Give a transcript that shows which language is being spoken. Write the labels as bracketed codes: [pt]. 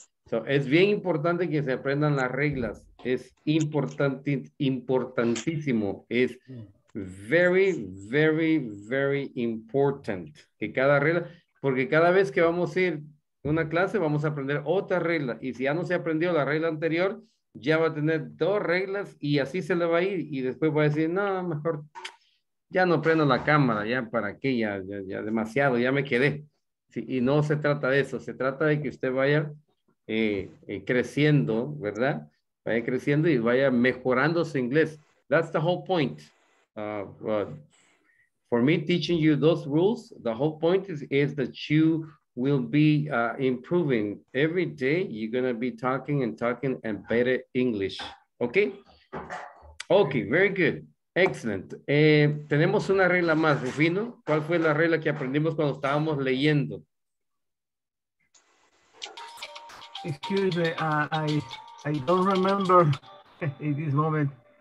[es] So, es bien importante que se aprendan las reglas, es importantísimo, es [en] very, very, very important, [es] que cada regla, porque cada vez que vamos a ir una clase, vamos a aprender otra regla, y si ya no se aprendió la regla anterior, ya va a tener dos reglas, y así se le va a ir, y después va a decir, no, mejor ya no prendo la cámara, ya para qué, ya demasiado, ya me quedé. Sí, y no se trata de eso, se trata de que usted vaya creciendo, ¿verdad? Vaya creciendo y vaya mejorando su inglés. [en] That's the whole point. For me, teaching you those rules, the whole point is that you will be improving. Every day, you're going to be talking and talking and better English. Okay? Okay, very good. [es] Excellent. Tenemos una regla más, Rufino. ¿Cuál fue la regla que aprendimos cuando estábamos leyendo? [en] Excuse me, I don't remember in this moment.